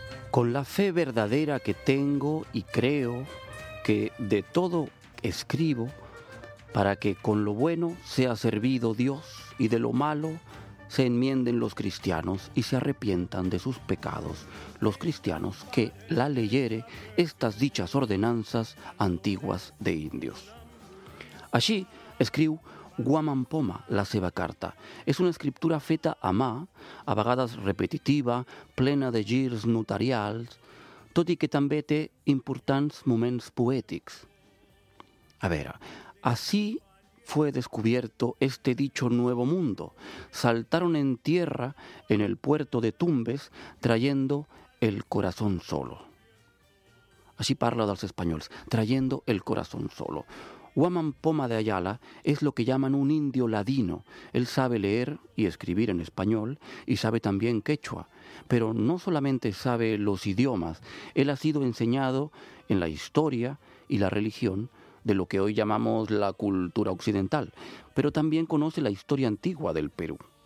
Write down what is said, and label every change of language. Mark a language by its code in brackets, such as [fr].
[es] Con la fe verdadera que tengo y creo que de todo escribo para que con lo bueno sea servido Dios y de lo malo se enmienden los cristianos y se arrepientan de sus pecados, los cristianos que la leyere estas dichas ordenanzas antiguas de indios. Allí escribo [ca] Guaman Poma, la seva carta. És una escriptura feta a mà, a vegades repetitiva, plena de girs notarials, tot i que també té importants moments poètics. A veure, [es] así fue descubierto este dicho nuevo mundo. Saltaron en tierra en el puerto de Tumbes trayendo el corazón solo. [ca] Així parla dels espanyols, [es] trayendo el corazón solo. Guaman Poma de Ayala es lo que llaman un indio ladino. Él sabe leer y escribir en español y sabe también quechua. Pero no solamente sabe los idiomas, él ha sido enseñado en la historia y la religión de lo que hoy llamamos la cultura occidental, pero también conoce la historia antigua del Perú.